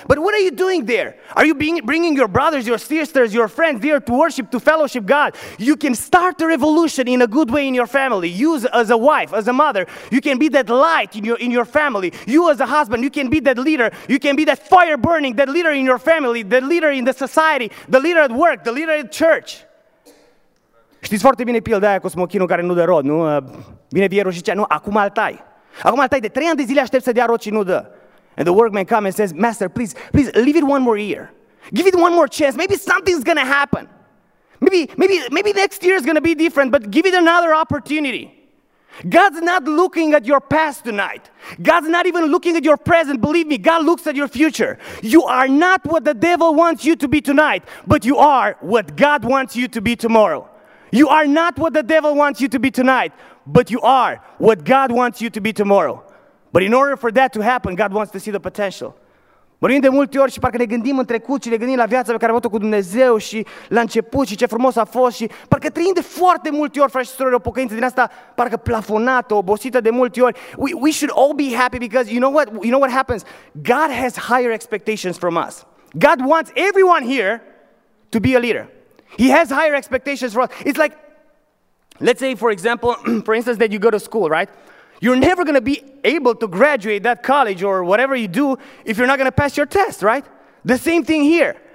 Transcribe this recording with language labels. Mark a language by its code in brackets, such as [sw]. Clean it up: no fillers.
[en] But what are you doing there? Are you bringing your brothers, your sisters, your friends there to worship, to fellowship God? You can start a revolution in a good way in your family. You as a wife, as a mother, you can be that light in your family. You as a husband, you can be that leader. You can be that fire burning, that leader in your family, the leader in the society, the leader at work, the leader at church. [ro] Știți foarte bine pilda aia cu smochinul care nu dă rod, nu? Vine vierul și zice, nu, acum îl tai. Acum altai, de 3 ani de zile aștept să dea roci, nu dă. [en] And the workman comes and says, Master, please leave it one more year. Give it one more chance. Maybe something's going to happen. Maybe next year is going to be different, but give it another opportunity. God's not looking at your past tonight. God's not even looking at your present. Believe me, God looks at your future. You are not what the devil wants you to be tonight, but you are what God wants you to be tomorrow. You are not what the devil wants you to be tonight, but you are what God wants you to be tomorrow. But in order for that to happen, God wants to see the potential. [ro] Vorbim de multe ori și parcă ne gândim în trecut și ne gândim la viața pe care am avut-o cu Dumnezeu și la început și ce frumos a fost și parcă trăim de foarte multe ori, frate și surori, o pocăință din asta parcă plafonată, obosită de multe ori. [en] We should all be happy because you know what happens? God has higher expectations from us. God wants everyone here to be a leader. He has higher expectations for us. It's like, let's say, for example, for instance, that you go to school, right? You're never going to be able to graduate that college or whatever you do if you're not going to pass your test, right? The same thing here.